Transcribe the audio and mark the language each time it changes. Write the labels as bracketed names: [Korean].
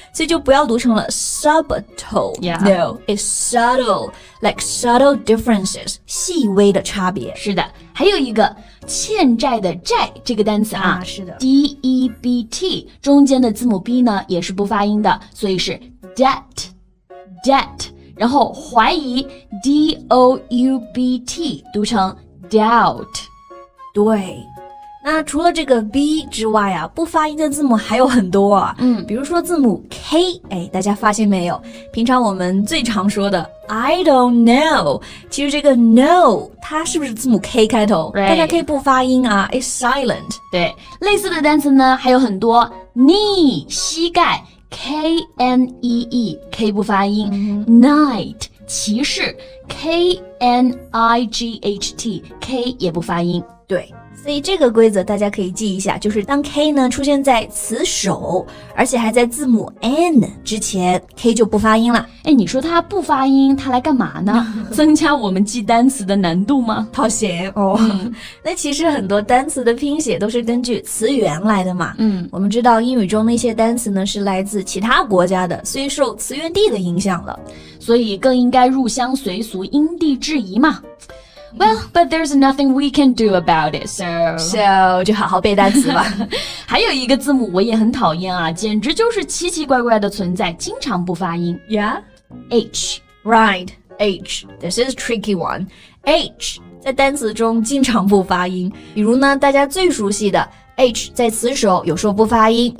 [Chinese] 所以就不要读成了 subtle. [English] Yeah. No, it's subtle. Like, subtle differences, [Chinese] 细微的差别。是的。还有一个欠债的债这个单词是的 D-E-B-T 中间的字母 B 呢也是不发音的，所以是 debt debt， 然后怀疑 D-O-U-B-T 读成 doubt。对，那除了这个 B 之外啊，不发音的字母还有很多啊。嗯，比如说字母 K， 哎，大家发现没有？平常我们最常说的 [English] I don't know， [Chinese] 其实这个 know 它是不是字母 K 开头？对，大家可以不发音啊 ， [English] it's silent。 [Chinese] 对，类似的单词呢还有很多 ，knee 膝盖 ，K N E E K 不发音、嗯、，night 骑士 ，K N I G H T K 也不发音。对。所以这个规则大家可以记一下，就是当 K 呢出现在词首，而且还在字母 N 之前， K 就不发音了。哎，你说它不发音，它来干嘛呢？增加我们记单词的难度吗？套写哦、嗯。那其实很多单词的拼写都是根据词源来的嘛。嗯，我们知道英语中那些单词呢是来自其他国家的，所以受词源地的影响了，所以更应该入乡随俗，因地制宜嘛。 [English] Well, but there's nothing we can do about it, so... [Chinese] So, 就好好背单词吧。还有一个字母我也很讨厌啊，简直就是奇奇怪怪的存在，经常不发音。 [English] Yeah? H. Right, H. This is a tricky one. [Chinese] H, 在单词中经常不发音。比如呢，大家最熟悉的 H 在词首有时候不发音。